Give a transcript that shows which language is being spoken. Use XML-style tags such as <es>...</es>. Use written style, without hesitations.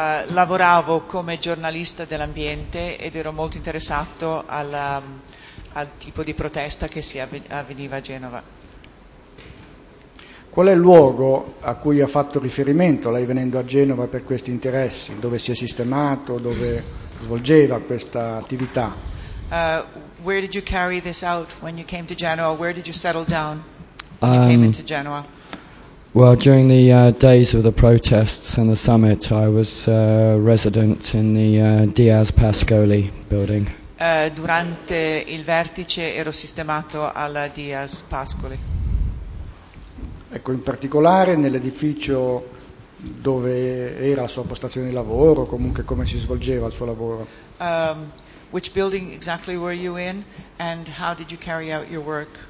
<it>Lavoravo come giornalista dell'ambiente ed ero molto interessato al tipo di protesta che si avveniva a Genova. Qual è il luogo a cui ha fatto riferimento lei venendo a Genova per questi interessi? Dove si è sistemato? Dove svolgeva questa attività?</it> <en>Where did you carry this out when you came to Genoa? Where did you settle down when you came into Genoa? Well, during the days of the protests and the summit, I was resident in the Diaz-Pascoli building.</en> <it>Durante il vertice ero sistemato alla Diaz-Pascoli. Ecco, in particolare nell'edificio dove era la sua postazione di lavoro, comunque come si svolgeva il suo lavoro.</it> <en>Which building exactly were you in, and how did you carry out your work?</en>